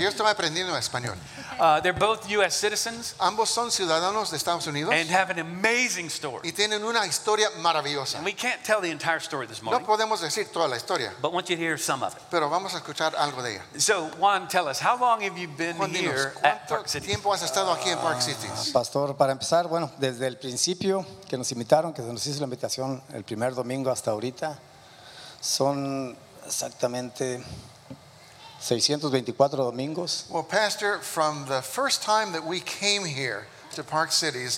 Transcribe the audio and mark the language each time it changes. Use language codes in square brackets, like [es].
[es] Porque yo estoy aprendiendo español. [en] They're both U.S. citizens. [es] Ambos son ciudadanos de Estados Unidos. [en] And have an amazing story. [es] Y tienen una historia maravillosa. [en] And we can't tell the entire story this morning. [es] No podemos decir toda la historia. [en] But I want you to hear some of it. [es] Pero vamos a escuchar algo de ella. [en] So, Juan, tell us, how long have you been [es] Juan, dinos, [en] here at Park City? [es] ¿Cuánto tiempo has estado aquí en Park City? Pastor, para empezar, bueno, desde el principio que nos invitaron, que nos hizo la el primer domingo hasta ahorita son exactamente 624 domingos. [en] Well, Pastor, from the first time that we came here to Park Cities,